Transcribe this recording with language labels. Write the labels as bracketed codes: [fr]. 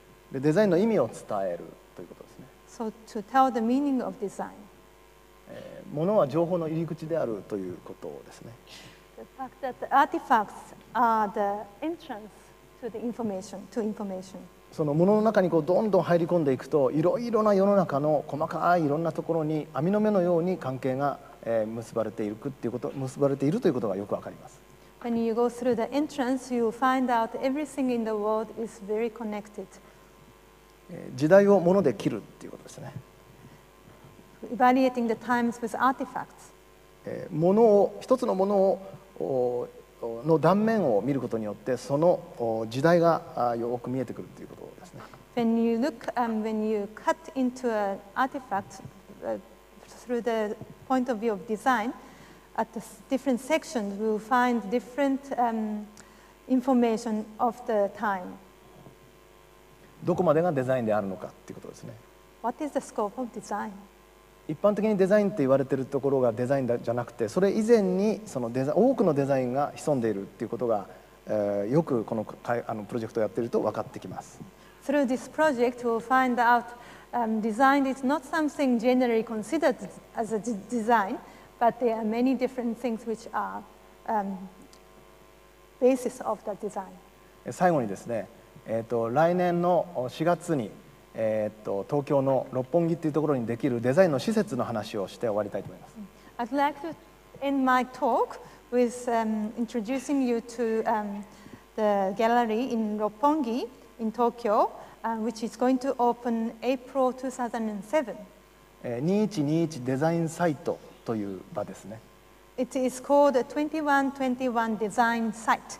[ja] で、デザインの意味を伝えるということですね。 [en] So to tell the meaning of design. [ja] ものは情報の入り口であるということですね。 [en] The fact that the artifacts are the entrance to the information, to information. [ja] そのものの中にこうどんどん入り込んでいくと、いろいろな世の中の細かいいろんなところに網の目のように関係が結ばれていくっていうこと、結ばれているということがよくわかります。 [en] When you go through the entrance, you find out everything in the world is very connected. [ja] 時代をもので切るっていうことですね。 [en] Evaluating the times with artifacts. [ja] ものを、一つのものをの断面を見ることによってその時代がよく見えてくるということですね。 [en] When you look, when you cut into an artifact, through the point of view of design, at the different sections, we'll find different, information of the time. [ja] どこまでがデザインであるのかということですね。 [en] What is the scope of design? [ja] 一般的にデザインって言われているところがデザインじゃなくて、それ以前にそのデザイン多くのデザインが潜んでいるっていうことが、よくこ の, あのプロジェクトをやっていると分かってきます。 [en] Through this project, we'll find out, design is not something generally considered as a design, but there are many different things which are, basis of that design. [ja] 最後にですね、来年の4月に。東京の六本木っていうところにできるデザインの施設の話をして終わりたいと思います。 [en] I'd like to end my talk with introducing you to the gallery in Roppongi in Tokyo, which is going to open April 2007. [ja] 2121デザインサイトという場ですね。 [en] It is called 2121 Design Site.